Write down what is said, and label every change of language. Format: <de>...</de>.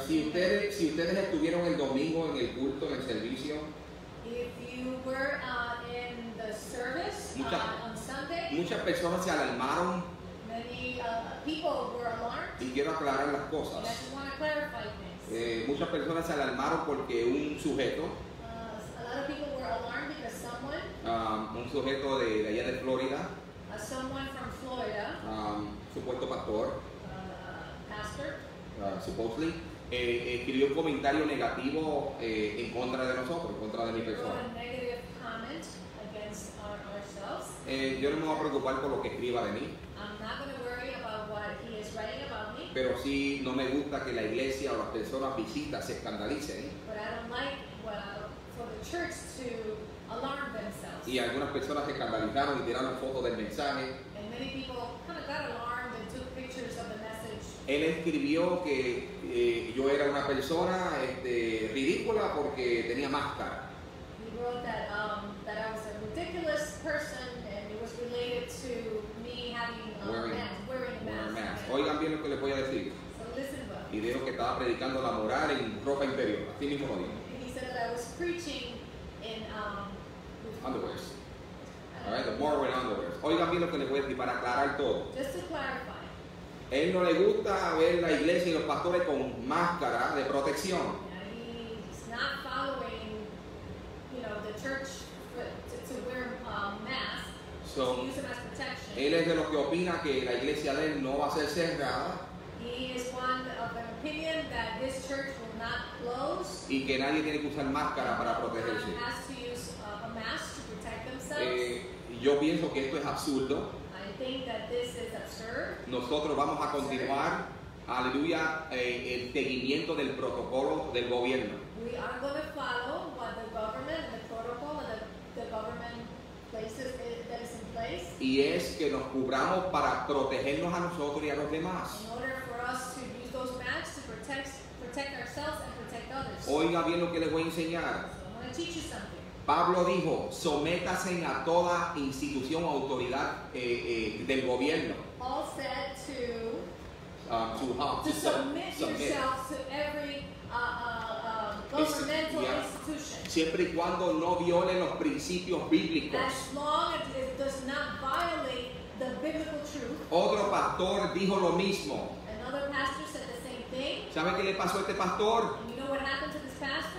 <es>Si ustedes estuvieron el domingo en el culto, en el servicio,</es> <en>if you were in the service on Sunday,</en> <es>muchas personas se alarmaron.</es> <en>Many people were alarmed.</en> <es>Y quiero aclarar las cosas.</es> <en>I just want to clarify things.</en> <es>Muchas personas se alarmaron porque un sujeto,</es> <en>a lot of people were alarmed because someone,</en> <es>un sujeto de allá de Florida,</es> <en>someone from Florida,</en> <es>supuesto pastor.</es> <en>Pastor, supposedly,</en> <es>escribió un comentario negativo en contra de nosotros, en contra de mi persona.</es> <en>A negative comment against ourselves.</en> <es>Yo no me voy a preocupar por lo que escriba de mí.</es> <en>I'm not going to worry about what he is writing about me.</en> <es>Pero sí, no me gusta que la iglesia o las personas visitas se escandalicen.</es> <en>But I don't like for the church to alarm themselves.</en> <es>Y algunas personas se escandalizaron y tiraron fotos del mensaje.</es> <en>And many people kind of got alarmed and took pictures of the message.</en> <es>Él escribió que yo era una persona ridícula porque tenía máscara.</es> <en>He wrote that that I was a ridiculous person and it was related to me having wearing a mask.</en> <es>Oigan bien lo que les voy a decir.</es> <en>So listen well.</en> <es>Y dijo que estaba predicando la moral en ropa interior. Así mismo lo dijo.</es> <en>He said that I was preaching in underwears. All right, the moral in underwears.</en> <es>Oigan bien lo que les voy a decir para aclarar todo.</es> <en>Just to clarify.</en> <es>Él no le gusta ver la iglesia y los pastores con máscara de protección.</es> <en>He's not following, the church to wear masks. So, to use them as protection.</en> <es>Él es de los que opina que la iglesia de él no va a ser cerrada.</es> <en>He is one of the opinion that this church will not close.</en> <es>Y que nadie tiene que usar máscara para protegerse.</es> <en>Has to use a mask to protect themselves.</en> <es>Yo pienso que esto es absurdo.</es> <en>Think that this is absurd.</en> <es>Nosotros vamos a continuar, aleluya, el seguimiento del protocolo del gobierno.</es> <en>We are going to follow what the government, the protocol that the government places that is in place.</en> <es>Y es que nos cubramos para protegernos a nosotros y a los demás.</es> <en>In order for us to use those masks to protect ourselves and protect others.</en> <es>Oiga bien lo que les voy a enseñar.</es> <en>So I'm going to teach you something.</en> <es>Pablo dijo, sométase a toda institución o autoridad del gobierno.</es> <en>Paul said to, submit yourself to every governmental institution.</en> <es>Siempre y cuando no viole los principios bíblicos.</es> <en>As long as it does not violate the biblical truth.</en> <es>Otro pastor dijo lo mismo.</es> <en>Another pastor said the same thing.</en> <es>¿Sabe qué le pasó a este pastor?</es> <en>And you know what happened to this pastor?</en>